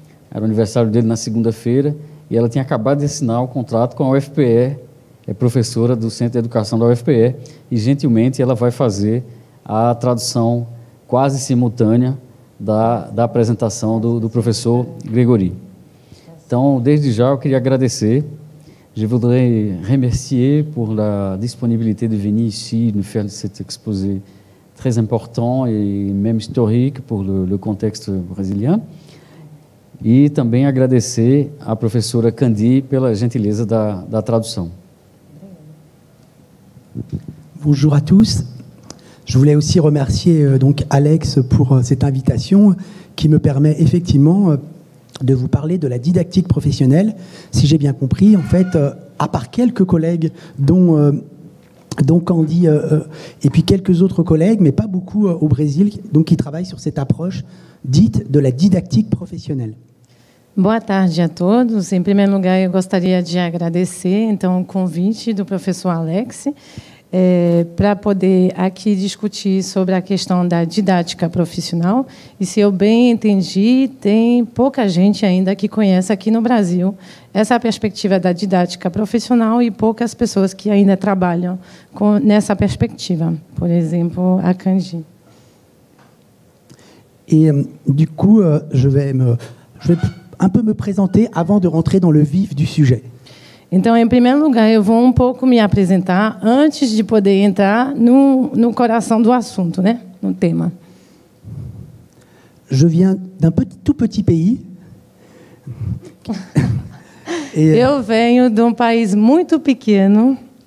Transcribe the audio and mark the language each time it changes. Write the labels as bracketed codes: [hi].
[pt] Era o aniversário dele na segunda-feira. E ela tinha acabado de assinar o contrato com a UFPE. É professora do Centro de Educação da UFPE. E, gentilmente, ela vai fazer a tradução quase simultânea da apresentação do professor Gregory. Então, desde já, eu queria agradecer. [fr] Je voudrais remercier pour la disponibilité de venir ici, de faire cet exposé très important et même historique pour le contexte brésilien. [pt] E também agradecer à professora Candy pela gentileza da tradução. [fr] Bonjour à tous. Je voulais aussi remercier donc Alex pour cette invitation qui me permet effectivement de vous parler de la didactique professionnelle. Si j'ai bien compris, en fait, à part quelques collègues dont Candy et puis quelques autres collègues, mais pas beaucoup au Brésil, donc qui travaillent sur cette approche dite de la didactique professionnelle. [pt] Boa tarde a todos. Em primeiro lugar, eu gostaria de agradecer então o convite do professor Alex. Para poder aqui discutir sobre a questão da didática profissional. E se eu bem entendi, tem pouca gente ainda que conhece aqui no Brasil essa perspectiva da didática profissional e poucas pessoas que ainda trabalham nessa perspectiva. Por exemplo, a Candy. [fr] E, du coup, je vais un peu me présenter avant de rentrer dans le vif du sujet. [pt] Então, em primeiro lugar, eu vou um pouco me apresentar antes de poder entrar no coração do assunto, né? No tema. Je viens d'un petit, tout petit pays. Eu venho de um país muito pequeno.